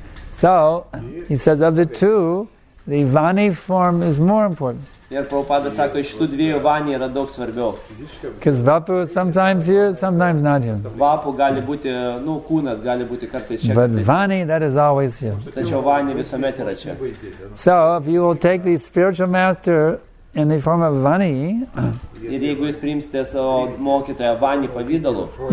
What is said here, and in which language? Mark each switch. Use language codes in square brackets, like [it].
[en] So, he says of the two, the Vani form is more important. Because Vapu is sometimes here, sometimes not here. [lt] Vapu gali būti, nu, kūnas gali būti kartais čia. [en] But Vani, that is always here. [lt] Tačiau Vani visuomet yra čia. [en] So, if you will take the spiritual master in the form of Vani, [lt] ir jeigu jūs priimsite savo mokytoją Vani pavidalu,